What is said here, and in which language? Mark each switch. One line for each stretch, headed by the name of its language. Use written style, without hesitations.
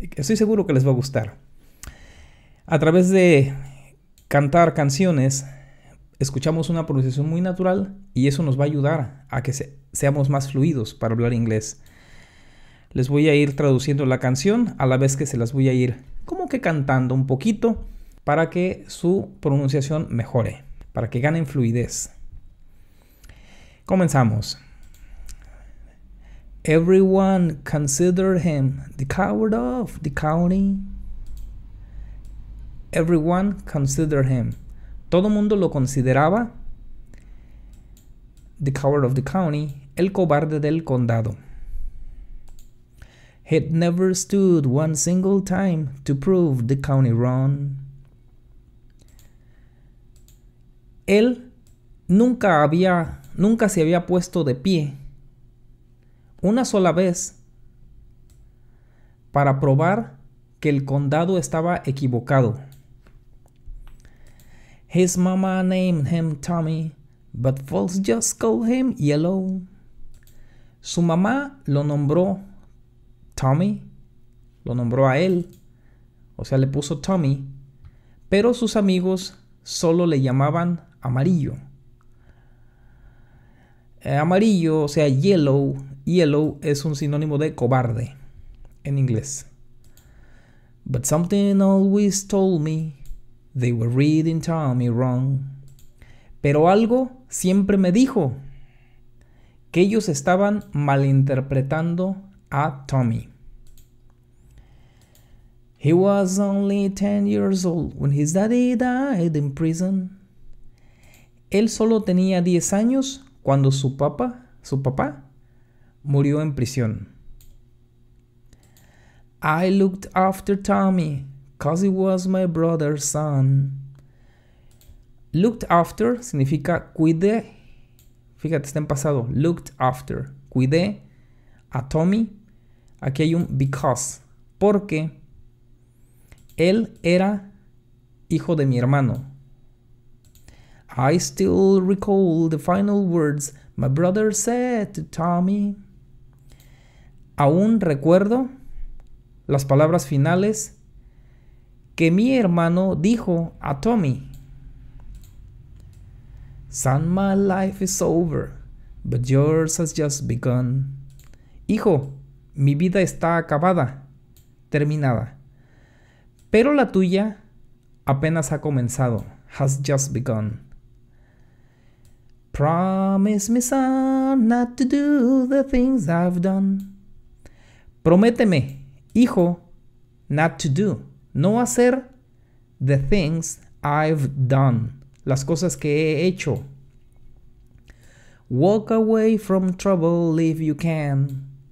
Spanish: Estoy seguro que les va a gustar. A través de cantar canciones, escuchamos una pronunciación muy natural y eso nos va a ayudar a que seamos más fluidos para hablar inglés. Les voy a ir traduciendo la canción a la vez que se las voy a ir como que cantando un poquito para que su pronunciación mejore, para que ganen fluidez. Comenzamos.
English: Everyone considered him the coward of the county. Everyone considered him.
Spanish: Todo mundo lo consideraba
English: the coward of the county,
Spanish: el cobarde del condado.
English: He'd never stood one single time to prove the county wrong.
Spanish: Él nunca se había puesto de pie una sola vez para probar que el condado estaba equivocado.
English: His mama named him Tommy, but folks just called him Yellow.
Spanish: Su mamá lo nombró Tommy, lo nombró a él, o sea, le puso Tommy, pero sus amigos solo le llamaban Amarillo. Amarillo, o sea, Yellow. Yellow es un sinónimo de cobarde en inglés.
English: But something always told me they were reading Tommy wrong.
Spanish: Pero algo siempre me dijo que ellos estaban malinterpretando a Tommy.
English: He was only 10 years old when his daddy died in prison.
Spanish: Él solo tenía 10 años cuando su papá murió en prisión.
English: I looked after Tommy, 'cause he was my brother's son.
Spanish: Looked after significa cuidé. Fíjate, está en pasado. Looked after. Cuidé a Tommy. Aquí hay un because. Porque él era hijo de mi hermano.
English: I still recall the final words my brother said to Tommy.
Spanish: Aún recuerdo las palabras finales que mi hermano dijo a Tommy.
English: Son, my life is over, but yours has just begun.
Spanish: Hijo, mi vida está acabada, terminada. Pero la tuya apenas ha comenzado,
English: has just begun. Promise me, son, not to do the things I've done.
Spanish: Prométeme, hijo,
English: not to do,
Spanish: no hacer
English: the things I've done,
Spanish: las cosas que he hecho.
English: Walk away from trouble if you can.